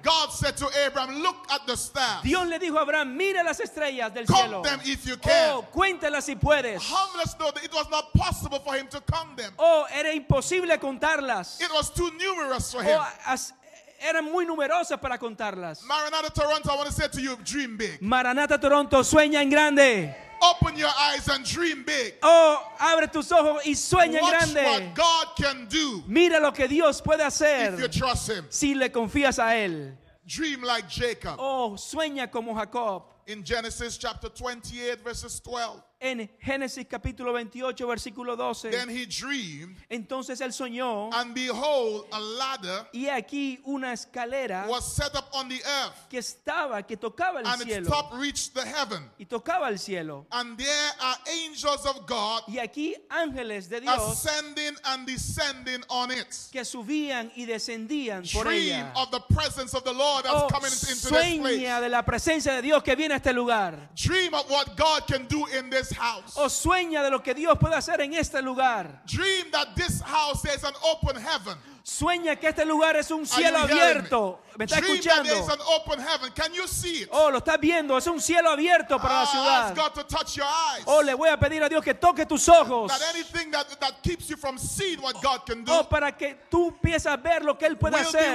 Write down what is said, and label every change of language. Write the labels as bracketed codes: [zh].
[en] God said to Abraham, look at the stars. [es] Dios le dijo a Abraham, mira las estrellas del [en] count [es] cielo. [en] Count them if you can. [es] Oh, cuéntelas si puedes. [en] How many know that it was not possible for him to count them? [es] Oh, era imposible contarlas. [en] It was too numerous for him. [es] Eran muy numerosas para contarlas. [en] Maranatha Toronto, I want to say to you, dream big. [es] Maranatha Toronto, sueña en grande. [en] Open your eyes and dream big. [es] Oh, abre tus ojos y sueña en grande. [en] Watch what God can do. [es] Mira lo que Dios puede hacer. [en] If you trust him. [es] Si le confías a él. [en] Dream like Jacob. [es] Oh, sueña como Jacob. [en] In Genesis chapter 28 verses 12. [es] En Génesis capítulo 28 versículo 12. [en] Then he dreamed. [es] Entonces él soñó. [en] And behold, a ladder. [es] Y aquí una escalera. [en] Was set up on the earth. [es] Que tocaba el [en] and [es] cielo. [en] And its top reached the heaven. [es] Y tocaba el cielo. [en] And there are angels of God. [es] Y aquí ángeles de Dios. [en] Ascending and descending on it. [es] Que subían y descendían [en] dream [es] por ella. [en] Dream of the presence of the Lord that's coming into this place. [es] Sueña de la presencia de Dios que viene a este lugar. [en] Dream of what God can do in this house. [es] O sueña de lo que Dios puede hacer en este lugar. [en] Dream that this house is an open heaven. [es] Sueña que este lugar es un cielo abierto. ¿Me está escuchando? [en] Dream that there is an open heaven. Can you see it? [es] Oh, lo estás viendo. Es un cielo abierto para la ciudad. [en] Ask God to touch your eyes. [es] Oh, le voy a pedir a Dios que toque tus ojos. [en] That anything that keeps you from seeing what God can do. [es] Oh, para que tú empieces a ver lo que él puede hacer.